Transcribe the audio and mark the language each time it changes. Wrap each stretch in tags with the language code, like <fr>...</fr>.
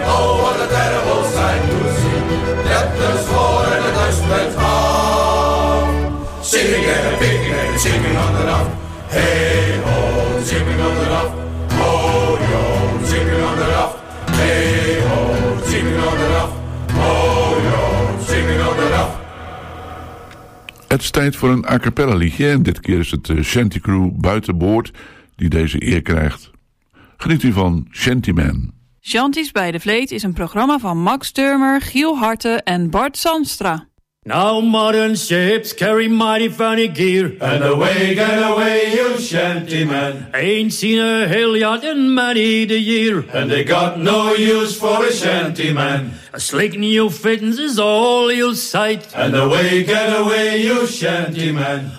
<en>Oh, what a terrible sight to see. Let the score in a desperate heart. Sitting and a picking and chicken on the raft. Hey, ho, chicken on the raft. Oh, yo, chicken on the raft. Hey, ho, chicken on the raft. Oh, yo, chicken on the raft.</en> <nl>Het is tijd voor een a cappella liedje. En dit keer is het Shanty Crew buitenboord die deze eer krijgt. Geniet u van Shantyman. Shanties bij de Vleet is een programma van Max Turmer, Giel Harte en Bart Zandstra.</nl> <en>Now modern ships carry mighty funny gear. And away, get away, you shantymen. Ain't seen a hill yacht in many the year. And they got no use for a shantyman. A slick new fittings is all you'll sight. And away, get away, you shantymen.</en>